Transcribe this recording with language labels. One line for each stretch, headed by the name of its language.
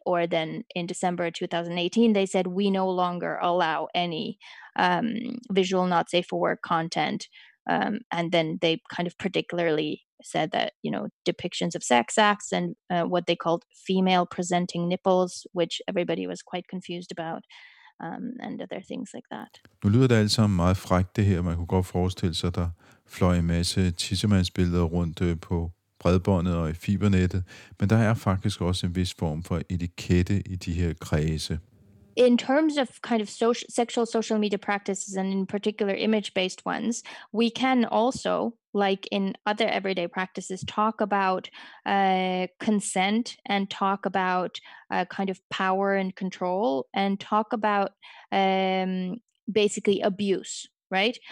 English: Or then in December 2018, they said, we no longer allow any visual not safe for work content. And then they kind of particularly said that, you know, depictions of sex acts and what they called female presenting nipples, which everybody was quite confused about. And other things like that.
Danish: Nu lyder det alt sammen meget frækt, det her. Man kunne godt forestille sig, der fløj en masse tissemandsbilleder rundt på bredbåndet og i fibernettet, men der er faktisk også en vis form for etikette i de her kredse.
English: In terms of kind of sexual social media practices, and in particular image-based ones, we can also, like in other everyday practices, talk about consent and talk about kind of power and control and talk about basically abuse, right?